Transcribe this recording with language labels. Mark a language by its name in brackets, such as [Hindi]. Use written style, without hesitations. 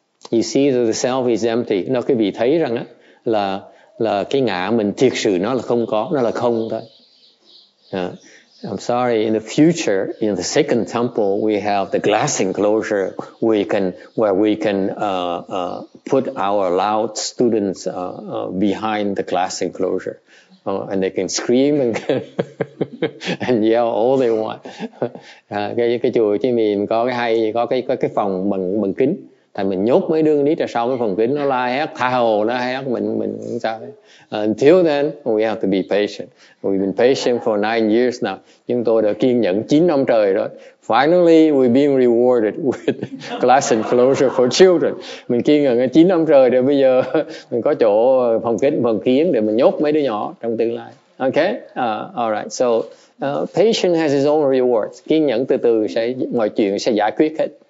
[English] You see that the self is empty. [Vietnamese] Nó quý vị thấy rằng á là cái ngã mình thiệt sự nó là không có, nó là không thôi. [English] I'm sorry, in the future, in the second temple, we have the glass enclosure where we can put our loud students behind the glass enclosure. And they can scream and and yell all they want. [Vietnamese] Cái chùa chứ mình có cái hay, có cái phòng bằng kính. Tại mình nhốt mấy đứa nít ở sau cái phòng kính, nó la hét, tha hồ nó hét, mình cũng sao. [English] Until then, we have to be patient. We've been patient for 9 years now. [Vietnamese] Chúng tôi đã kiên nhẫn 9 năm trời rồi. [English] Finally, we've been rewarded with glass enclosure for children. [Vietnamese] Mình kiên nhẫn 9 năm trời rồi, bây giờ mình có chỗ phòng kính, phòng kiến để mình nhốt mấy đứa nhỏ trong tương lai. Okay? [English] Alright, so patience has its own rewards. [Vietnamese] Kiên nhẫn từ từ sẽ, mọi chuyện sẽ giải quyết hết.